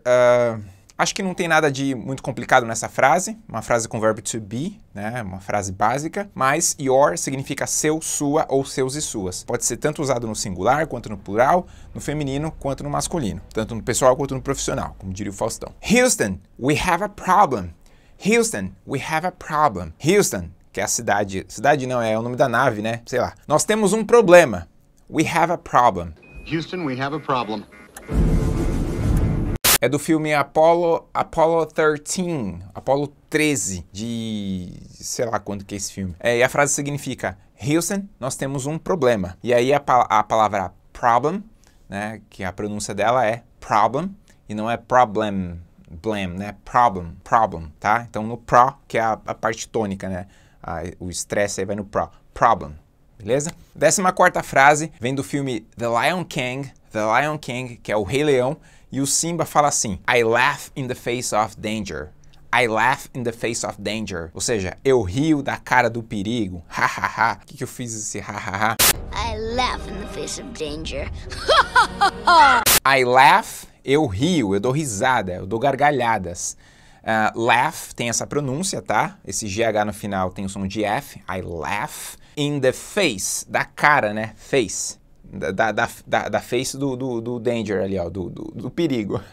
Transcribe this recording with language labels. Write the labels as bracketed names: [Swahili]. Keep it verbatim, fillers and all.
[Portuguese] Uh, acho que não tem nada de muito complicado nessa frase. Uma frase com verbo to be, né? Uma frase básica. Mas your significa seu, sua ou seus e suas. Pode ser tanto usado no singular, quanto no plural, no feminino, quanto no masculino. Tanto no pessoal, quanto no profissional, como diria o Faustão. [English] Houston, we have a problem. Houston, we have a problem. [Portuguese] Houston, que é a cidade. Cidade não, é o nome da nave, né? Sei lá. Nós temos um problema. [English] We have a problem. Houston, we have a problem. [Portuguese] É do filme Apollo, Apollo treze, Apollo treze, de sei lá quando que é esse filme. É, e a frase significa, Houston, nós temos um problema. E aí a, a palavra problem, né, que a pronúncia dela é problem, e não é problem, blame, né, problem, problem, tá? Então no pro, que é a, a parte tônica, né, a, o estresse aí vai no pro, problem. Beleza? Décima quarta frase vem do filme The Lion King, The Lion King, que é o Rei Leão, e o Simba fala assim, [English] I laugh in the face of danger, [Portuguese] I laugh in the face of danger, ou seja, eu rio da cara do perigo, ha ha ha, o que, que eu fiz esse ha ha ha? [English] I laugh in the face of danger, I laugh, [Portuguese] eu rio, eu dou risada, eu dou gargalhadas. Uh, laugh tem essa pronúncia, tá? Esse G H no final tem o som de F, [English] I laugh. In the face, [Portuguese] da cara, né? Face. Da, da, da, da face do, do, do danger ali, ó, do, do, do perigo.